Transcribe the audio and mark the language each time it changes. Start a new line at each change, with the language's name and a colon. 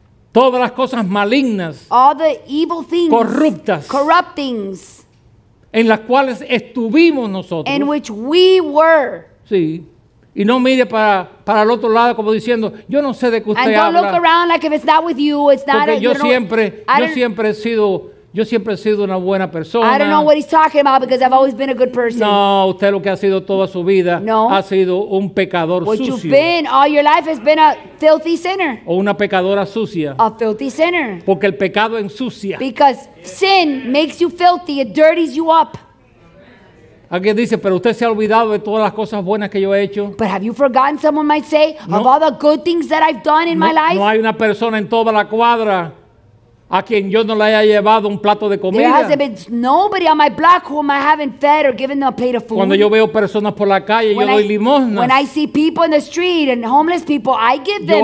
Spanish: todas las cosas malignas,
English: all the evil things,
Spanish: corruptas,
English: corrupt things,
Spanish: en las cuales estuvimos nosotros,
English: in which we were,
Spanish: sí. Y no mire para el otro lado como diciendo, yo no sé de qué usted habla.
English: And don't look around like if it's not with you, it's not.
Spanish: Porque yo siempre he sido una buena persona.
English: I don't know what he's talking about because I've always been a good person.
Spanish: No, usted lo que ha sido toda su vida ha sido un pecador sucio.
English: What you've been all your life has been a filthy sinner.
Spanish: O una pecadora sucia.
English: A filthy sinner.
Spanish: Porque el pecado ensucia.
English: Because sin makes you filthy, it dirties you up.
Spanish: Alguien dice, pero usted se ha olvidado de todas las cosas buenas que yo he hecho.
English: But have you forgotten, someone might say, no, of all the good things that I've done in
Spanish: no,
English: my life?
Spanish: No hay una persona en toda la cuadra a quien yo no le haya llevado un plato de comida.
English: There hasn't been nobody on my block whom I haven't fed or given them a plate of food.
Spanish: Cuando yo veo personas por la calle, when yo doy limosna.
English: When I see people in the street and homeless people, I give them